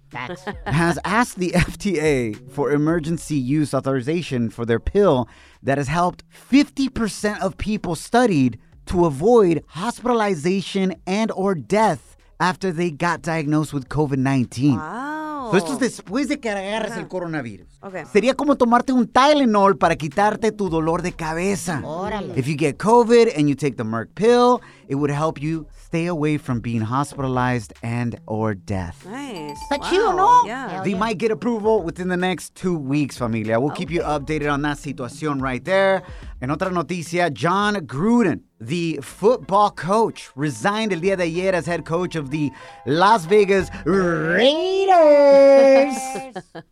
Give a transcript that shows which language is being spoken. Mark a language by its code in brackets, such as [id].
[en] Facts. Has asked the FDA for emergency use authorization for their pill that has helped 50% of people studied to avoid hospitalization and or death after they got diagnosed with COVID-19. Wow. [es] So esto es después de que agarres el coronavirus. [en] Okay. [es] Sería como tomarte un Tylenol para quitarte tu dolor de cabeza. Órale. [en] If you get COVID and you take the Merck pill, it would help you stay away from being hospitalized and or death. Nice. [es] Está chido, ¿no? [en] Yeah. They might get approval within the next 2 weeks, familia. We'll keep you updated on that situation right there. [es] En otra noticia, [en] John Gruden, the football coach, resigned [es] el día de ayer [en] as head coach of the Las Vegas Raiders.